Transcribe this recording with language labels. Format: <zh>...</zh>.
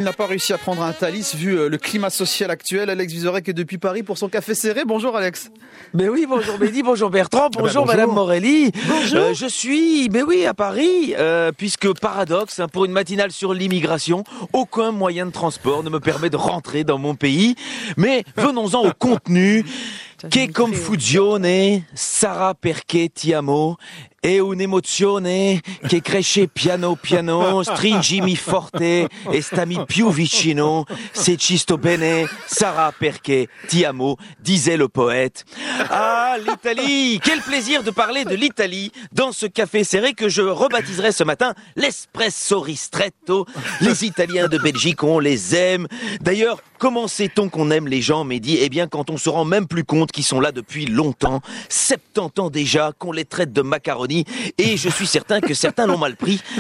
<fr>Il n'a pas réussi à prendre un Thalys vu le climat social actuel. Alex Vizorek est depuis Paris pour son café serré. Bonjour Alex. Mais oui, bonjour Mehdi, bonjour Bertrand, bonjour Madame Morelli. Bonjour. Je suis, mais oui, à Paris, puisque paradoxe, pour une matinale sur l'immigration, aucun moyen de transport ne me permet de rentrer dans mon pays. Mais venons-en au contenu.</fr> <it>Que confusione, Sara perché ti amo, e un'emozione che cresce piano piano, stringimi forte e stami più vicino, se ci sto bene, Sara perché ti amo,</it> <fr>disait le poète. Ah, l'Italie! Quel plaisir de parler de l'Italie dans ce café serré que je rebaptiserai ce matin l'Espresso Ristretto. Les Italiens de Belgique, on les aime. D'ailleurs, comment sait-on qu'on aime les gens, Mehdi? Eh bien, quand on se rend même plus compte qui sont là depuis longtemps, 70 ans déjà, qu'on les traite de macaroni, et je suis certain que certains l'ont mal pris.</fr>